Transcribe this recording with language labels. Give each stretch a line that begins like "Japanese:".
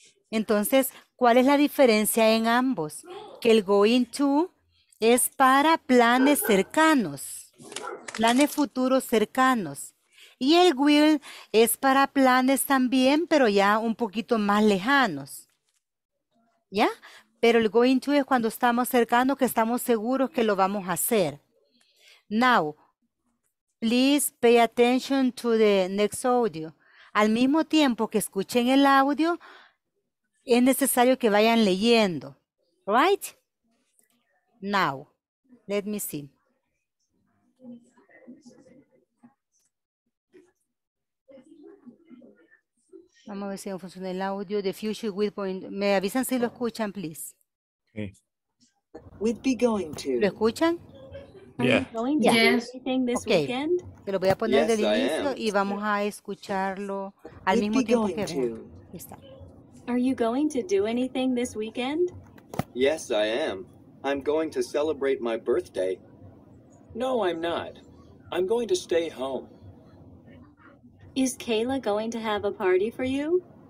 Spanish: Entonces, ¿cuál es la diferencia en ambos? Que el going to es para planes cercanos. Planes futuros cercanos. Y el will es para planes también, pero ya un poquito más lejanos. ¿Ya? Pero el going to es cuando estamos cercanos, que estamos seguros que lo vamos a hacer.
English: Now, please pay attention to the next audio.
Spanish: Al mismo tiempo que escuchen el audio, es necesario que vayan leyendo.
English: Right? Now, let me see.
Spanish: Vamos a ver si funciona el audio de Future with Point. Me avisan si lo escuchan, please.
English: Okay. We'd be going to.
Spanish: ¿Lo escuchan?
English: Yes. Okay. Weekend?
Spanish: Te lo voy a poner del inicio y vamos a escucharlo al
English: We'd
Spanish: mismo tiempo que
English: to.
Spanish: Está.
English: Are you going to do anything this weekend? Yes, I am. I'm going to celebrate my birthday. No, I'm not. I'm going to stay home. Is Kayla going to have a party for you?